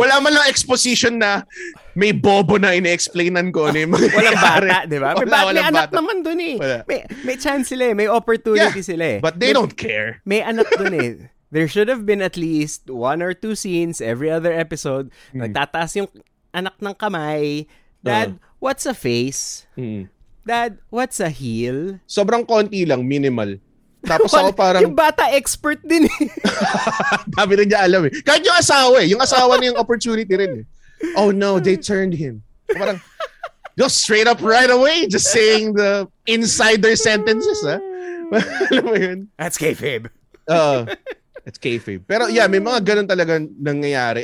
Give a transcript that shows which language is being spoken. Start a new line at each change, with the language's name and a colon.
Filipino: Wala man lang exposition na may bobo na inexplainan ko ni. Walang bata, 'di ba? May bata, may anak naman doon eh. May chance sila, may opportunity yeah, sila.
English: But they don't care.
Filipino: May anak doon eh.
English: There should have been at least one or two scenes every other episode. Mm.
Filipino: Nagtataas yung anak ng kamay.
English: Dad, what's a face? Mm. Dad, what's a heel?
Filipino: Sobrang konti lang, minimal. Tapos ako parang... Yung bata expert din eh. Dami rin niya alam eh. Kahit yung asawa eh. Yung asawa niya yung opportunity rin eh.
English: Oh no, they turned him. Parang, go straight up right away. Just saying the insider sentences.
Filipino: Ha? Alam mo yun?
English: That's kayfabe. It's kayfabe.
Filipino: Pero yeah, may mga ganun talaga nangyayari.